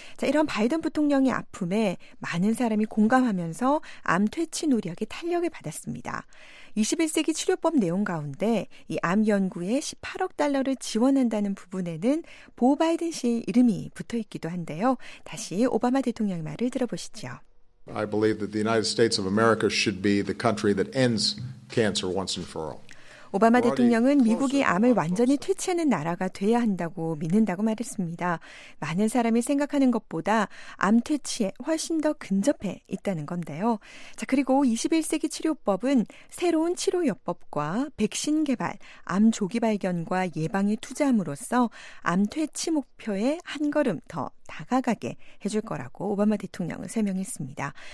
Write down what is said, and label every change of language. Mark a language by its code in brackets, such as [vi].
[ko] 자, 이런 바이든 부통령의 아픔에 많은 사람이 공감하면서 암 퇴치 노력에 탄력을 받았습니다. 21세기 치료법 내용 가운데 이 암 연구에 18억 달러를 지원한다는 부분에는 보 바이든 씨의 이름이 붙어 있기도 한데요. 다시 오바마 대통령 말을 들어보시죠. [en] I believe that the United States of America should be the country that ends cancer once and for all. [ko] 오바마 대통령은 미국이 암을 완전히 퇴치하는 나라가 돼야 한다고 믿는다고 말했습니다. 많은 사람이 생각하는 것보다 암 퇴치에 훨씬 더 근접해 있다는 건데요. 자, 그리고 21세기 치료법은 새로운 치료요법과 백신 개발, 암 조기 발견과 예방에 투자함으로써 암 퇴치 목표에 한 걸음 더 다가가게 해줄 거라고 오바마 대통령은 설명했습니다.